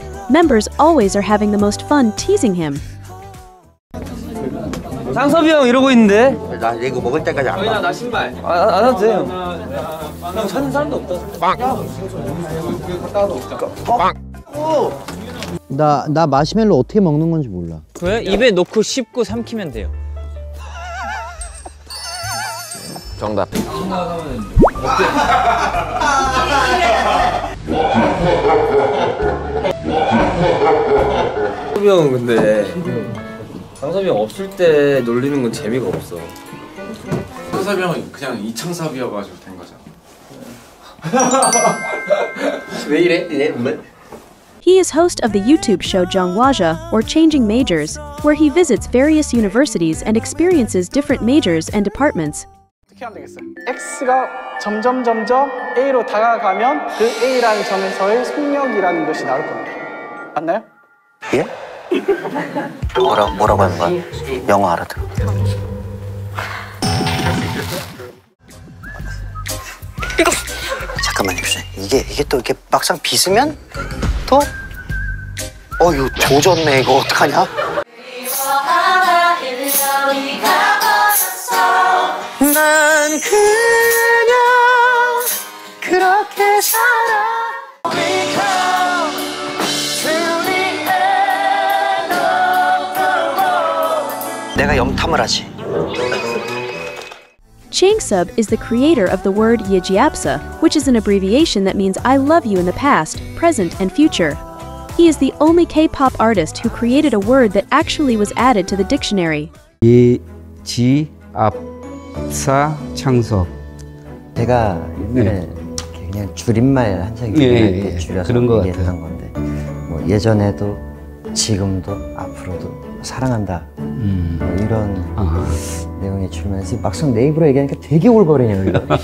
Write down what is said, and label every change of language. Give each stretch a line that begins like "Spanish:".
English: Members always are having the most fun teasing him.
Korean: 상섭이 형 이러고 있는데 나 이거 먹을 때까지 안 봐 나 신발 안 하도 돼 형 형 찾는 사람도 없다 빵 빵 나 나 마시멜로 어떻게 먹는 건지 몰라 그래? 입에 넣고 씹고 삼키면 돼요 정답 섭이 형 근데 상섭이 형 없을 때 놀리는 건 재미가 없어 상섭이 형은 그냥 이창섭이어가지고 된 거잖아 왜 이래? 왜?
English: He is host of the YouTube show Jongwaja, or Changing Majors, where he visits various universities and experiences different majors and departments.
Korean: 어떻게 하면 되겠어? X가 점점점점 A로 다가가면 그 A라는 점에서의 속력이라는 것이 나올 겁니다. 맞나요? 예? 뭐라고 하는 거야? 영어 알아들어. 잠깐만 입수해. 이게 또 이렇게 막상 빗으면 또 어 이거 조졌네 이거 어떡하냐? 난 그냥 그렇게 살아.
English: Because,
Korean: 내가 염탐을 하지.
English: Changsub is the creator of the word Yijiapsa, which is an abbreviation that means I love you in the past, present, and future. He is the only K-pop artist who created a word that actually was added to the dictionary.
Korean: Yijiapsa Changsub. 제가 그냥 줄임말 한 장 줄여서 얘기했던 건데 뭐 예전에도 지금도 앞으로도 사랑한다. 이런 내용에 출연해서 막상 내 입으로 얘기하니까 되게 올바르네요.